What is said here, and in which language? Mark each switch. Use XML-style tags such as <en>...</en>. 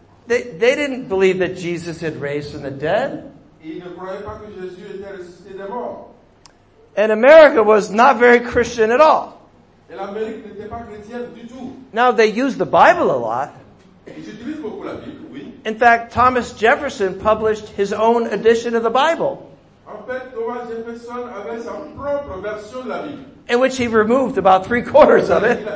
<en>They didn't believe that Jesus had raised from the dead.</en> <fr>Ils ne croyaient pas que Jésus était ressuscité des morts.</fr> <en>And America was not very Christian at all.</en> <fr>Et l'Amérique n'était pas chrétienne du tout.</fr> <en>Now, they used the Bible a lot.</en> <fr>Ils utilisent beaucoup la Bible, oui.</fr> <en>In fact, Thomas Jefferson published his own edition of the Bible.</en> <fr>En fait, Thomas Jefferson avait sa propre version de la Bible.</fr> <en>In which he removed about three quarters of it.</en>